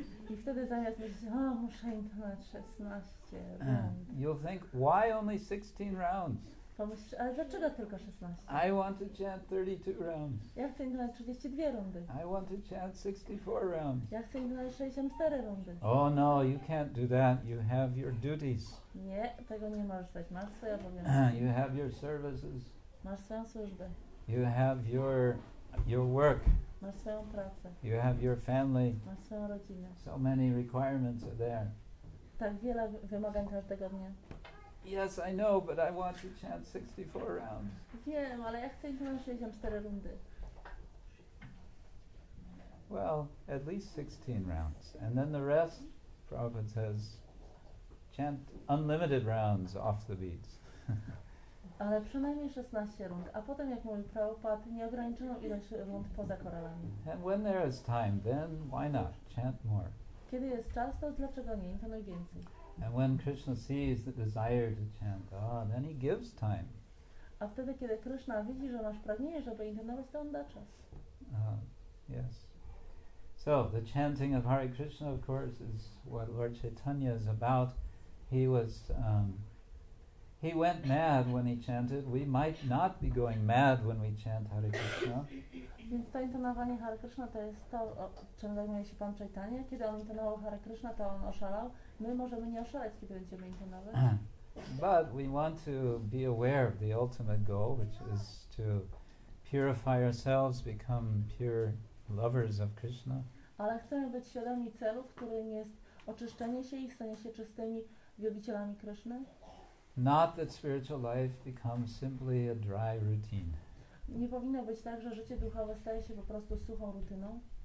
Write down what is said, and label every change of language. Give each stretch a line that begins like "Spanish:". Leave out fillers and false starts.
Polish: i wtedy zamiast myśleć, o, muszę intonować 16 rund.
English: You'll think, why only 16 rounds?
Polish: Pomyślisz, ale dlaczego tylko 16?
English: I want to chant 32 rounds.
Polish: Ja chcę intonować 32 rundy.
English: I want to chant 64 rounds.
Polish: Ja chcę intonować 64 rundy.
English: Oh no, you can't do that. You have your duties.
Polish: Nie, tego nie możesz dać. Masz swoje obowiązki.
English: You have your services.
Polish: Masz swoją służbę.
English: You have your work.
Polish: Masz swoją pracę.
English: You have your family.
Polish: Masz swoją rodzinę.
English: So many requirements are there.
Polish: Tak wiele wymagań każdego dnia.
English: Yes, I know, but I want to chant 64 rounds.
Polish: Wiem, ale ja chcę intonować 64 rundy.
English: Well, at least 16 rounds. And then the rest, Prabhupada says, chant unlimited rounds off the beats.
Polish: Ale przynajmniej 16 rund, a potem, jak mówi Prabhupada, nieograniczoną ilość rund poza koralami.
English: And when there is time, then why not? Chant more.
Polish: Kiedy jest czas, to dlaczego nie? Intonuj więcej.
English: And when Krishna sees the desire to chant, oh, then he gives time.
Polish: A wtedy, kiedy Krishna widzi, że masz pragnienie, żeby intonować, to on da czas.
English: Yes. So, the chanting of Hare Krishna, of course, is what Lord Chaitanya is about. He was... He went mad when he chanted. We might not be going mad when we chant Hare Krishna.
Polish: Więc to intonowanie Hare Krishna to jest to, o czym zajmuje się Pan Chaitanya. Kiedy on intonował Hare Krishna, to on oszalał. My możemy nie oszaleć, kiedy będziemy intonować.
English: But we want to be aware of the ultimate goal, which is to purify ourselves, become pure lovers of Krishna.
Polish: ale chcemy być świadomi celu, którym jest oczyszczenie się i stanie się czystymi wielbicielami Kryszny.
English: Not that spiritual life becomes simply a dry routine.
Polish: Nie powinno być tak, że życie duchowe staje się po prostu suchą rutyną.